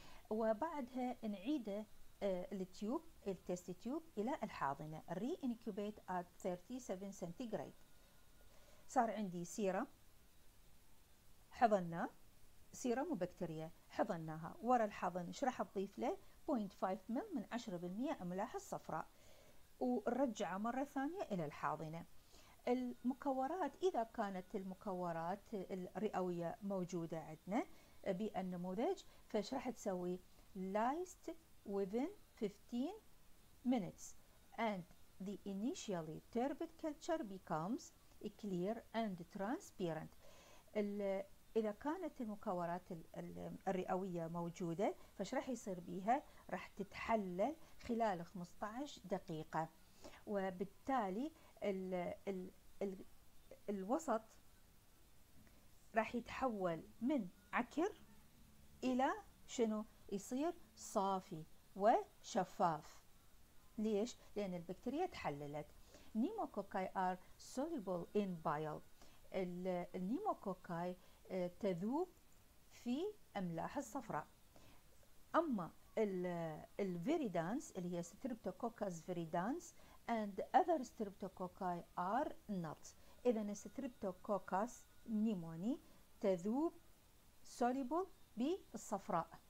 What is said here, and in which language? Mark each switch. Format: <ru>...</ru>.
<ar>وبعدها نعيد التيوب التيست تيوب الى الحاضنه</ar> <en>Reincubate at 37 centigrade.</en> <ar>صار عندي سيرم حضناه، سيرم وبكتيريا حضناها. ورا الحضن ايش راح تضيف له؟ 0.5 مل من 10% املاح الصفراء ورجع مرة ثانية إلى الحاضنة. المكورات إذا كانت المكورات الرئوية موجودة عندنا بالنموذج فش راح تسوي؟</ar> <en>lyse within 15 minutes and the initially turbid culture becomes clear and transparent.</en> <ar>إذا كانت المكورات الرئوية موجودة فش راح يصير بيها؟ راح تتحلل خلال 15 دقيقة، وبالتالي الـ الـ الـ الوسط راح يتحول من عكر إلى شنو؟ يصير صافي وشفاف. ليش؟ لأن البكتيريا تحللت.</ar> <en>Pneumococci are soluble in bile.</en> <ar>النيموكوكاي تذوب في أملاح الصفراء. أما الفيريدانس اللي هي ستريبتوكوكاس فيريدانس</ar> <en>and other streptococci are not.</en> <ar>إذا ستريبتوكوكاس نيموني تذوب soluble بالصفراء.</ar>